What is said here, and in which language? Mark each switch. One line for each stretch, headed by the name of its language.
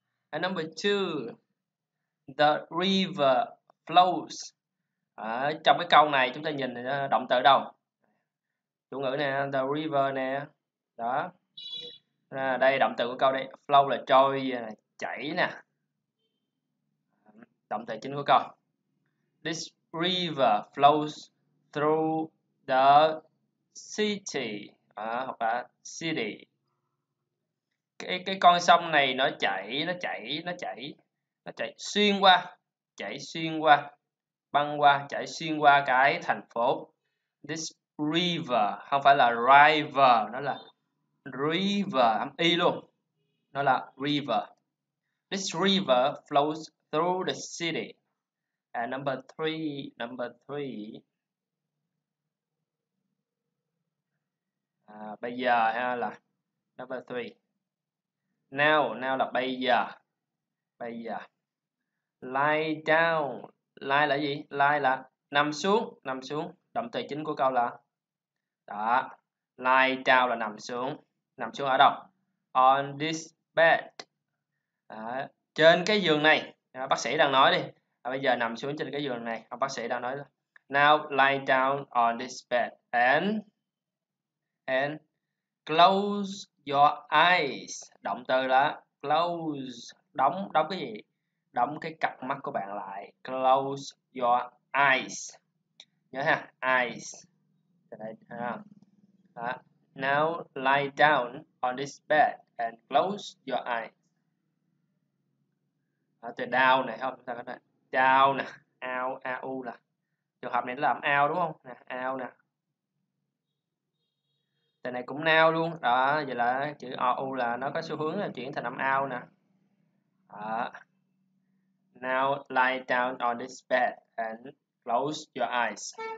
English: And number two, the river flows.
Vietnamese: Trong cái câu này chúng ta nhìn động từ đâu? Chủ ngữ nè, the river nè. Đó. Đây động từ của câu đây, flow là trôi chảy nè, động từ chính của câu.
English: This river flows through the city,
Vietnamese: hoặc là
English: city.
Vietnamese: Cái con sông này nó chảy xuyên qua, chảy xuyên qua, băng qua, chảy xuyên qua cái thành phố. This river không phải là river, nó là river, âm y luôn. Nó là
English: river. This river flows through the city. Number three.
Vietnamese: Bây giờ ha, là number three. Now là bây giờ. Bây giờ. Lie down. Lie là gì? Lie là nằm xuống, nằm xuống. Động từ chính của câu là đó. Lie down là nằm xuống. Nằm xuống ở đâu?
English: On this bed.
Vietnamese: Đó. Trên cái giường này. Bác sĩ đang nói đi. Bây giờ nằm xuống trên cái giường này. Bác sĩ đang nói.
English: Now lie down on this bed and close your eyes.
Vietnamese: Động từ là close, đóng, đóng cái gì? Đóng cái cặp mắt của bạn lại.
English: Close your eyes.
Vietnamese: Nhớ ha,
English: eyes. Now lie down on this bed and close your eyes.
Vietnamese: Từ down này không? Chúng ta có thể down nè, out, au là trường hợp này nó làm out đúng không? Nè, out nè. Từ này cũng now luôn. Đó, vậy là chữ au là nó có xu hướng là chuyển thành âm out nè. Đó.
English: Now lie down on this bed and close your eyes.